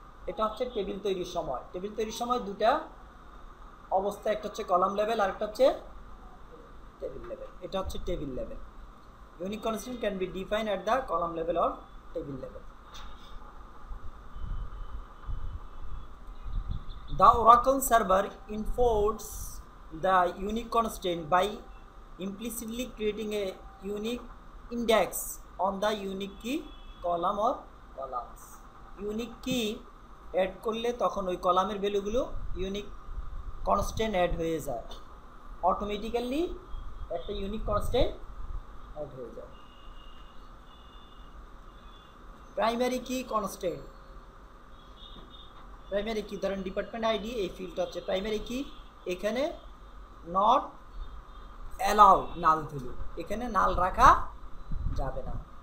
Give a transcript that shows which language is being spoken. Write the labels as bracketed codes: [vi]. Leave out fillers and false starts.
[bn] এটা হচ্ছে টেবিল তৈরির সময়, টেবিল তৈরির সময় দুটা অবস্থা, একটা হচ্ছে কলাম লেভেল আর একটা হচ্ছে টেবিল লেভেল, এটা হচ্ছে table level. [en] Unique constant can be define at the column level or table level. The Oracle server enforce the unique constant by implicitly creating a unique index on the unique key column or columns. [bn] Unique key add করলে তখন ওই কলামের ভ্যালুগুলো unique constant add হয়ে যায়, automatically একটা unique constant add হয়ে যায়। Primary কি কনস্ট্যান্ট, প্রাইমারি কি ধরেন ডিপার্টমেন্ট আইডি, এই ফিল্ডটা হচ্ছে প্রাইমারি কি, এখানে নট অ্যালাউ নাল ভ্যালু, এখানে নাল রাখা যাবে না।